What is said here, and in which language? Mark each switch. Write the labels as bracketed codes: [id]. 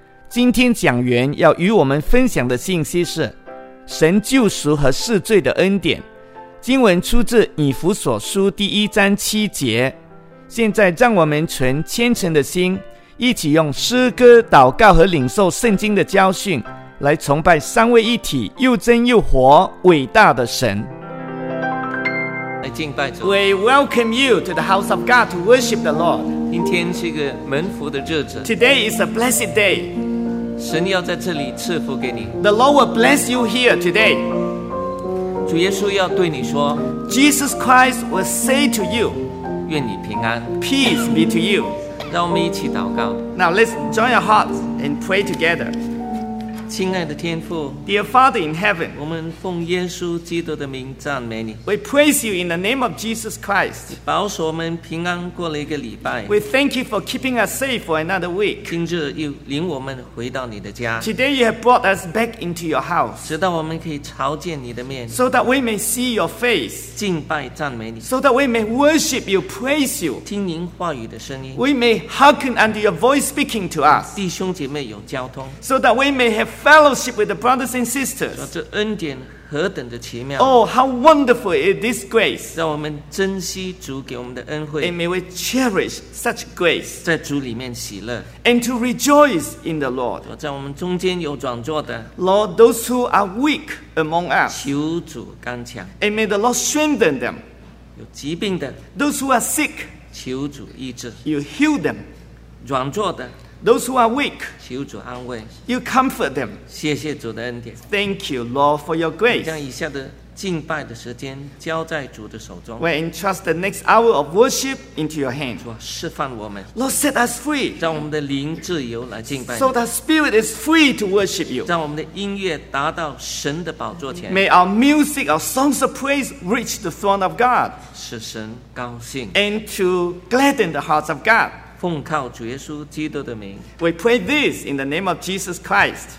[zh] 今天讲员要与我们分享的信息是神救赎和赦罪的恩典，经文出自以弗所书第一章七节。现在让我们存虔诚的心，一起用诗歌、祷告和领受圣经的教训，来崇拜三位一体又真又活伟大的神。来敬拜主。 [en] We welcome you to the house of God to worship the Lord. [zh] 今天是一个蒙福的日子。 [en] Today is a blessed day. [zh] 神要在这里赐福给你。 [en] The Lord will bless you here today. [zh] 主耶稣要对你说。 [en] Jesus Christ will say to you. [zh] 愿你平安。 [en] Peace be to you. [zh] 让我们一起祷告。 [en] Now let's join our hearts and pray together. [zh] 亲爱的天父， [en] Dear Father in heaven, [zh] 我们奉耶稣基督的名赞美你。 [en] We praise you in the name of Jesus Christ. [zh] 保守我们平安过了一个礼拜。 [en] We thank you for keeping us safe for another week. [zh] 今日又领我们回到你的家。 [en] Today you have brought us back into your house. [zh] 直到我们可以朝见你的面。 [en] So that we may see your face. [zh] 敬拜赞美你。 [en] So that we may worship you, praise you. [zh] 听您话语的声音。 [en] We may hearken unto your voice speaking to us. [zh] 弟兄姐妹有交通。 [en] So that we may have fellowship with the brothers and sisters. [zh] 这恩典何等的奇妙。 [en] Oh, how wonderful is this grace. [zh] 让我们珍惜主给我们的恩惠。 [en] And may we cherish such grace. [zh] 在主里面喜乐。 [en] And to rejoice in the Lord. [zh] 在我们中间有软弱的。 [en] Lord, those who are weak among us. [zh] 求主刚强。 [en] And may the Lord strengthen them. [zh] 有疾病的。 [en] Those who are sick. [zh] 求主医治。 [en] You heal them. [zh] 软弱的。 [en] Those who are weak, [zh] 求主安慰。 [en] You comfort them. [zh] 谢谢主的恩典。 [en] Thank you, Lord, for your grace. [zh] 将以下的敬拜的时间交在主的手中。 [en] We entrust the next hour of worship into your hands. [zh] 主啊，释放我们。 [en] Lord, set us free. [zh] 让我们的灵自由来敬拜你。 [en] So that spirit is free to worship you. [zh] 让我们的音乐达到神的宝座前。 [en] May our music, our songs of praise reach the throne of God. [zh] 使神高兴。 [en] And to gladden the hearts of God. [zh] 奉靠主耶稣基督的名。 [en] We pray this in the name of Jesus Christ.